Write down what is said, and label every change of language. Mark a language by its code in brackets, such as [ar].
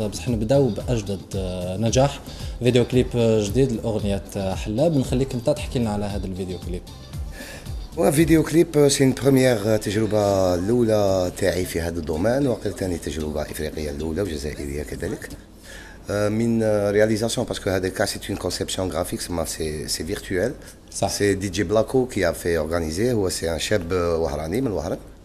[ar] بصح نبداو بأجدد نجاح، فيديو كليب جديد لأغنية حلاب. نخليك انت تحكي لنا على هذا الفيديو كليب. فيديو كليب [fr] سي ان بروميير، [ar] تجربة الأولى تاعي في هذا الدومين، وقلت ثاني تجربة إفريقية الأولى وجزائرية كذلك. من [fr] réalisation parce que [ar] هذا كاس [fr] c'est une conception graphique, c'est virtuel. Ça. C'est DJ Blacko qui a fait organiser, [ar] هو سي ان شاب وهراني من الوهران.